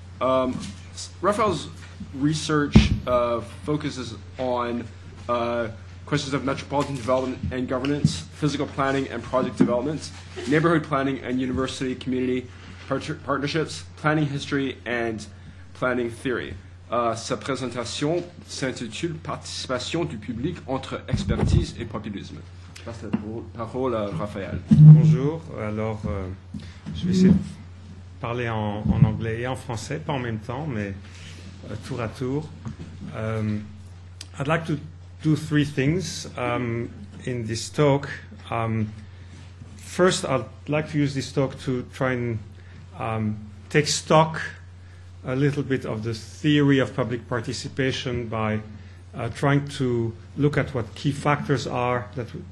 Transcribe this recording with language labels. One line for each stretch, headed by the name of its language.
English: Rafael's research focuses on questions of metropolitan development and governance, physical planning and project development, neighborhood planning and university community partnerships, planning history and planning theory.
French: Sa présentation s'intitule Participation du public entre expertise et populisme. Parole à Raphaël. Bonjour. Alors, je vais essayer de parler en anglais et en français, pas en même temps, mais tour à tour.
English: I'd like to do three things in this talk. First, I'd like to use this talk to try and take stock a little bit of the theory of public participation by trying to look at what key factors are that.